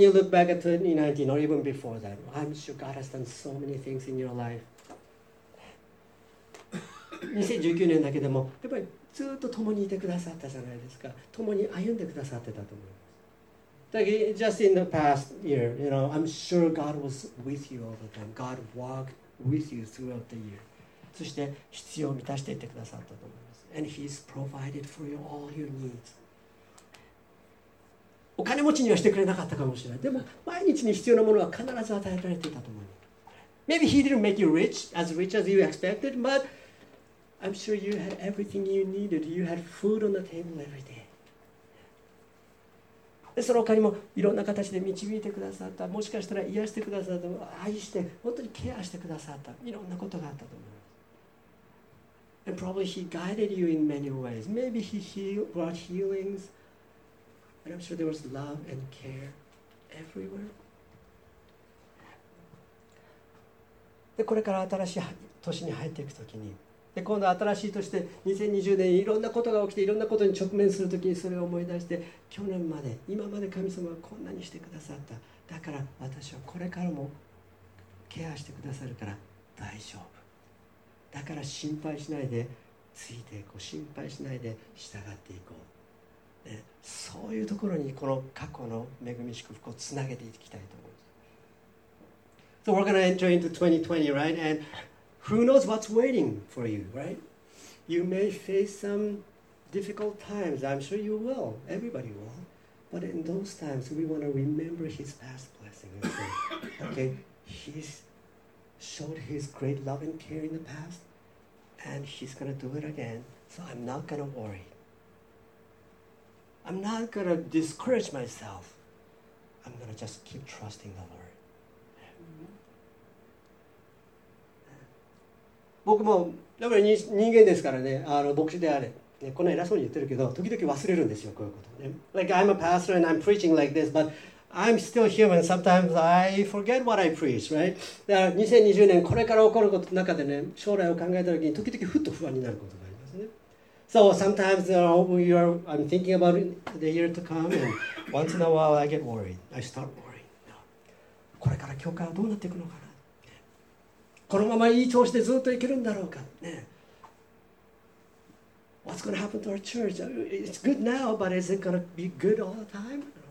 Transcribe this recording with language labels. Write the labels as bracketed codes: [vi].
[en] So when you look back at 2019 or even before that, I'm sure God has done so many things in your life. [ja] 2019年だけでもやっぱりずっと共にいてくださったじゃないですか。共に歩んでくださってたと思います。 [en] Like, just in the past year, you know, I'm sure God was with you all the time. God walked with you throughout the year. [ja] そして必要を満たしていってくださったと思います。 [en] And He's provided for you all your needs. [ja] お金持ちにはしてくれなかったかもしれない。でも毎日に必要なものは必ず与えられていたと思います。 [en] Maybe He didn't make you rich as you expected, butI'm sure you had everything you needed. You had food on the table every day. [ja] でその他にもいろんな形で導いてくださった、もしかしたら癒してくださった、愛して本当にケアしてくださった、いろんなことがあったと思います。 [en] And probably he guided you in many ways. Maybe he brought healings. And I'm sure there was love and care everywhere. [ja] でこれから新しい年に入っていくときに。で今度新しいとして2020年いろんなことが起きていろんなことに直面するときにそれを思い出して去年まで今まで神様がこんなにしてくださった、だから私はこれからもケアしてくださるから大丈夫、だから心配しないでついていこう、心配しないで従っていこう、ね、そういうところにこの過去の恵み祝福をつなげていきたいと思います。 [en] So we're going to enter into 2020, right? And who knows what's waiting for you, right? You may face some difficult times. I'm sure you will. Everybody will. But in those times, we want to remember His past blessing. Okay? He's showed His great love and care in the past. And he's going to do it again. So I'm not going to worry. I'm not going to discourage myself. I'm going to just keep trusting the Lord. [ja] 僕もやっぱり人間ですからね、あの牧師であれ、ね、こんな偉そうに言ってるけど、時々忘れるんですよ、こういうこと。 [en] ね、like, I'm a pastor and I'm preaching like this, but I'm still human. Sometimes I forget what I preach, right? [ja] だから2020年これから起こることの中でね、将来を考えた時に時々ふっと不安になることがありますね。 [en] So sometimes I'm thinking about the year to come and once in a while I get worried. I start worrying. [ja] これから教会はどうなっていくのかな？このままいい調子でずっといけるんだろうか？ね。 [en] What's going to happen to our church? It's good now, but is it going to be good all the time?